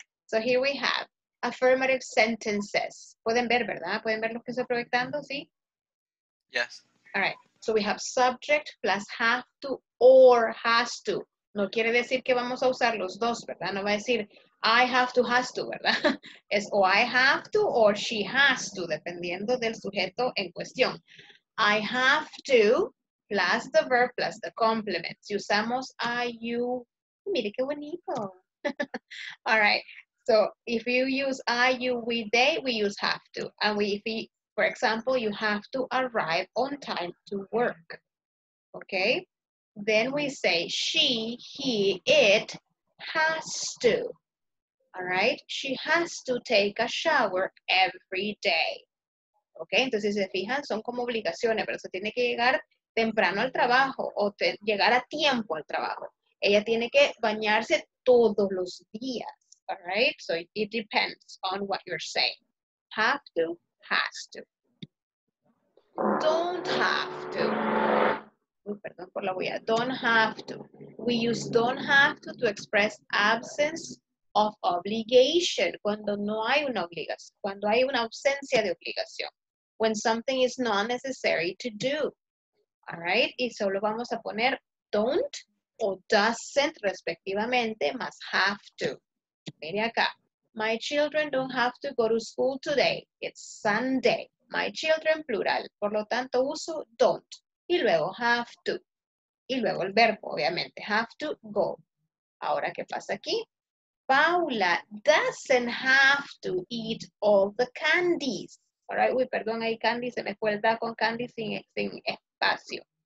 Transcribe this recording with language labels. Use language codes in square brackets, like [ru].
[en] So here we have affirmative sentences. [es] Pueden ver, ¿verdad? Pueden ver lo que estoy proyectando, ¿sí? [en] Yes. All right. So we have subject plus have to or has to. [es] No quiere decir que vamos a usar los dos, ¿verdad? No va a decir [en] I have to, has to, [es] ¿verdad? Es o [en] I have to or she has to, [es] dependiendo del sujeto en cuestión. [en] I have to plus the verb plus the complement. [es] Si usamos I, you, mire qué bonito. All right. [en] So if you use I, you, we, they, we use have to. And we, if we, for example, you have to arrive on time to work. Okay. Then we say she, he, it has to. All right, she has to take a shower every day. [es] Okay, entonces si se fijan, son como obligaciones, pero se tiene que llegar temprano al trabajo o llegar a tiempo al trabajo. Ella tiene que bañarse todos los días. [en] All right, so it depends on what you're saying. Have to, has to. Don't have to. [es] Perdón por la bulla. [en] Don't have to. We use don't have to express absence of obligation, [es] cuando no hay una obligación, cuando hay una ausencia de obligación, [en] when something is not necessary to do, all right? [es] Y solo vamos a poner don't o doesn't respectivamente, más have to. Mire acá, [en] my children don't have to go to school today, it's Sunday. My children, [es] plural, por lo tanto uso don't, y luego have to, y luego el verbo, obviamente, [en] have to go. [es] Ahora, ¿qué pasa aquí? [en] Paula doesn't have to eat all the candies. [es] All right, uy, perdón, hay candy, se me fue el da con candy sin espacio.